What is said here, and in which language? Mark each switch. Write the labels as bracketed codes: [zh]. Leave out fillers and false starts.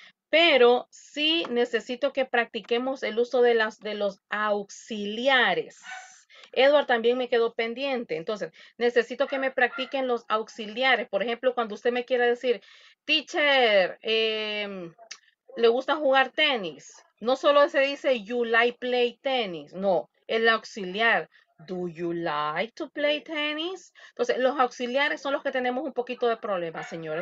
[es] Pero sí necesito que practiquemos el uso de los auxiliares. Edward también me quedó pendiente. Entonces, necesito que me practiquen los auxiliares. Por ejemplo, cuando usted me quiera decir, teacher, ¿le gusta jugar tenis? No solo se dice, [en] you like play tennis. [es] No, el auxiliar, [en] do you like to play tennis? [es] Entonces, los auxiliares son los que tenemos un poquito de problemas, señores.